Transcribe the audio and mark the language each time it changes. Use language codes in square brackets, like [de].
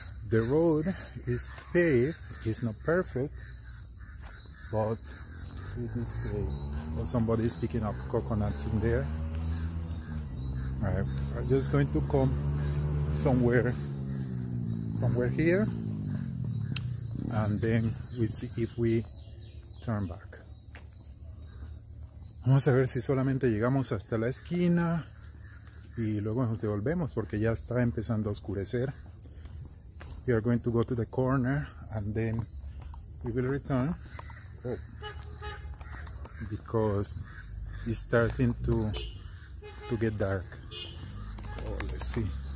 [en] The road is paved. It's not perfect, but it is paved. Oh, somebody is picking up coconuts in there. I'm just going to come somewhere here, and then we see if we turn back. [es] Vamos a ver si solamente llegamos hasta la esquina y luego nos devolvemos porque ya está empezando a oscurecer. [en] We are going to go to the corner and then we will return. Oh. Because it's starting to get dark. Oh, let's see.